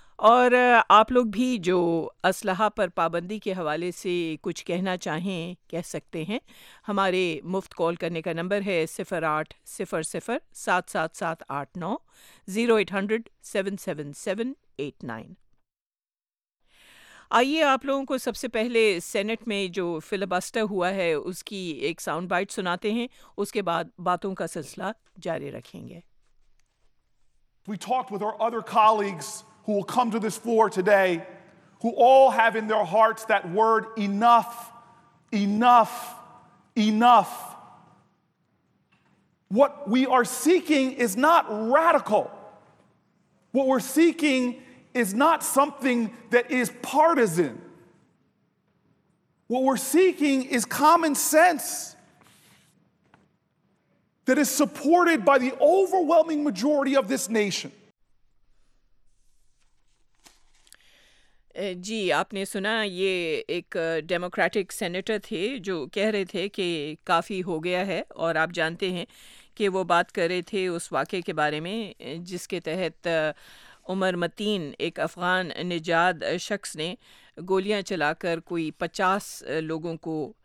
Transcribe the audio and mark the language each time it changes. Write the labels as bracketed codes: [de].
[ur] اور آپ لوگ بھی جو اسلحہ پر پابندی کے حوالے سے کچھ کہنا چاہیں کہہ سکتے ہیں۔ ہمارے مفت کال کرنے کا نمبر ہے 0800-77789، 0800-77789۔ آئیے آپ لوگوں کو سب سے پہلے سینٹ میں جو فلیبسٹر ہوا ہے اس کی ایک ساؤنڈ بائٹ سناتے ہیں، اس کے بعد باتوں کا سلسلہ جاری رکھیں گے۔ [en] We talked with our other colleagues who will come to this floor today who all have in their hearts that word enough, enough, enough. What we are seeking is not radical. What we're seeking is not something that is partisan. What we're seeking is common sense that is supported by the overwhelming majority of this nation. [ur] جی، آپ نے سنا، یہ ایک democratic senator تھے جو کہہ رہے تھے کہ کافی ہو گیا ہے، اور آپ جانتے ہیں کہ وہ بات کر رہے تھے اس واقعے کے بارے میں جس کے تحت عمر متین، ایک افغان نژاد شخص نے گولیاں چلا کر کوئی 50 لوگوں کو